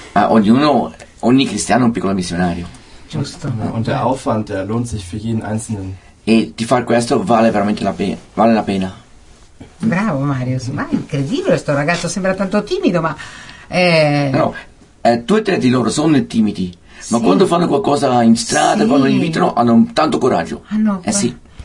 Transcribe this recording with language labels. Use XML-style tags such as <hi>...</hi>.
<it>Ogni cristiano è un piccolo missionario. Giusto.</it> <de>Und der Aufwand, der lohnt sich für jeden Einzelnen.</de> <it>E di far questo vale veramente la pena. Bravo, Mario. Ma è incredibile, sto ragazzo sembra tanto timido, ma... No, tu e tre di loro sono timidi, sì. Ma quando fanno qualcosa in strada, sì. Quando li invitano, hanno tanto coraggio. Hanno... Sì.</it>